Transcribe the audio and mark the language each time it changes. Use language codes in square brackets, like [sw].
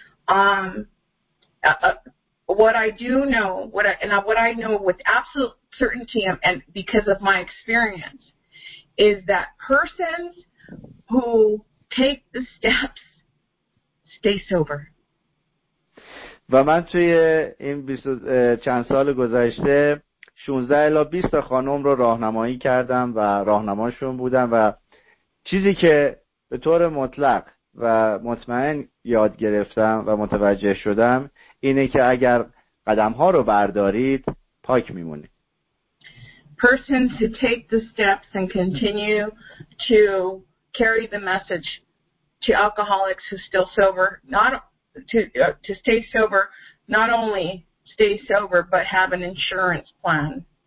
[en] What I do know, what I know with absolute certainty and because of my experience is that persons who take the steps stay sober. [fa] و من توی این 20 چند سال گذشته 16 الی 20 خانم رو راهنمایی کردم و راهنماشون بودم و چیزی که به طور مطلق و مطمئن یاد گرفتم و متوجه شدم اینه که اگر قدم‌ها رو بردارید پاک می‌مونید. [en] Persons who take the steps and continue to carry the message to alcoholics who still sober, not to stay sober, not only stay sober but have an insurance plan.